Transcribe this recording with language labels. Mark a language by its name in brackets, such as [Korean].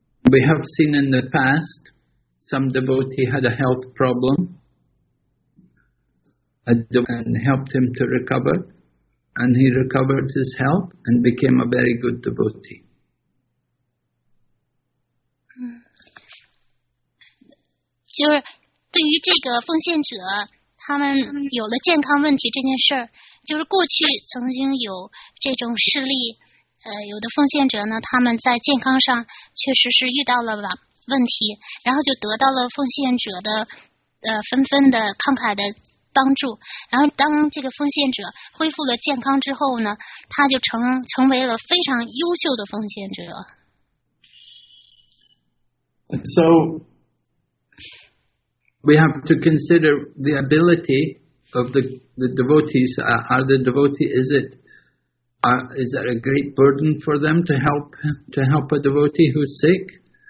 [English] We have seen in the past some devotee had a health problem, and helped him to recover. And he recovered his health and became a very good devotee. Mm. [Chinese] 就是对于这个奉献者，他们有了健康问题这件事儿，就是过去曾经有这种事例，有的奉献者呢，他们在健康上确实是遇到了问题，然后就得到了奉献者的纷纷的慷慨的帮助，然后当这个奉献者恢复了健康之后呢，他就成为了非常优秀的奉献者。 [English] So we have to consider the ability of the devotees. Are the devotee? Is there a great burden for them to help a devotee who's sick?